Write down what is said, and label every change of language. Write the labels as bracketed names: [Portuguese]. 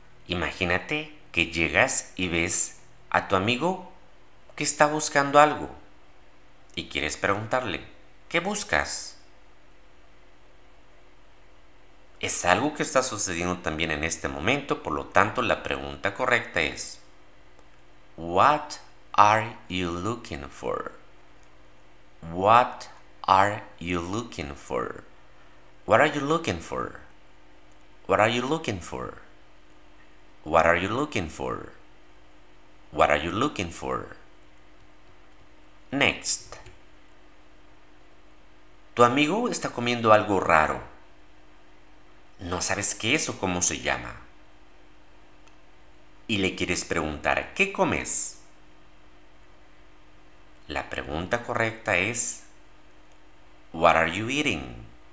[Spanish] Imagínate que llegas y ves a tu amigo que está buscando algo y quieres preguntarle, ¿qué buscas? Es algo que está sucediendo también en este momento, por lo tanto la pregunta correcta es [English] What are you looking for? What are you looking for? What are you looking for? What are you looking for? What are you looking for? What are you looking for? Next. [Spanish] Tu amigo está comiendo algo raro. No sabes qué es o cómo se llama. Y le quieres preguntar, ¿qué comes? La pregunta correcta es, [English] What are you eating?